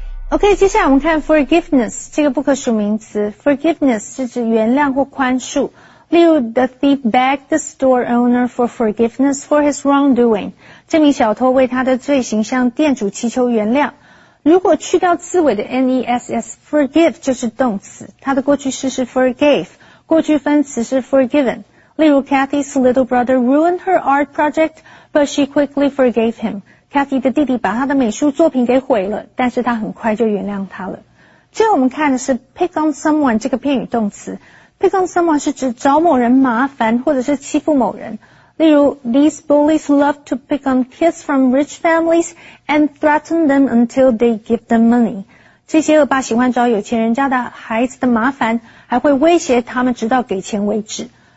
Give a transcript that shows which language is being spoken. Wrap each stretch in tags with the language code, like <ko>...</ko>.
<zh>OK, 接下来我们看 forgiveness, 这个不可数名词。 Forgiveness 是指原谅或宽恕。</zh> <en>例如 the thief begged the store owner for forgiveness for his wrongdoing.</en> <zh>这名小偷为他的罪行向店主祈求原谅。如果去掉字尾的 N-E-S-S, forgive 就是动词。它的过去式是 forgave, 过去分词是 forgiven。</zh> <en>例如 Kathy's little brother ruined her art project, but she quickly forgave him.</en> <zh>Kathy 的弟弟把他的美术作品给毁了，但是他很快就原谅他了。最后我们看的是 pick on someone 这个片语动词。Pick on someone 是指找某人麻烦或者是欺负某人。</zh> <en>例如 ,these bullies love to pick on kids from rich families and threaten them until they give them money.</en> <zh>这些恶霸喜欢找有钱人家的孩子的麻烦，还会威胁他们直到给钱为止。</zh>